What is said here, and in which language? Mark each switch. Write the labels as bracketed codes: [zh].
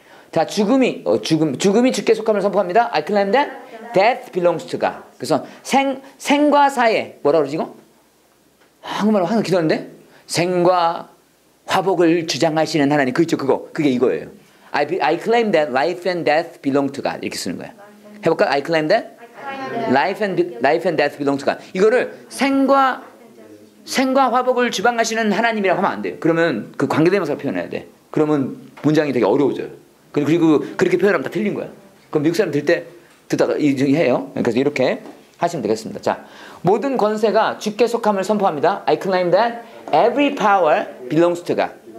[ko] 자, 죽음이 주께 속함을 선포합니다. [en] I claim that death belongs to God. [ko] 그래서 생과 사에, 뭐라 그러지, 이거? 한국말로 항상 기도하는데? 생과 화복을 주장하시는 하나님 그 있죠 그거 그게 이거예요. [en] I claim that life and death belong to God [ko] 이렇게 쓰는 거야. 해볼까? [en] I claim that life and death belong to God. [ko] 이거를 생과 화복을 주장하시는 하나님이라고 하면 안 돼요. 그러면 그 관계대명사 표현해야 돼. 그러면 문장이 되게 어려워져요. 그리고 그렇게 표현하면 다 틀린 거야. 그럼 미국 사람 들 때 듣다가 이중이 해요. 그래서 이렇게 하시면 되겠습니다. 자, 모든 권세가 주께 속함을 선포합니다. [en] I claim that every power belongs to God.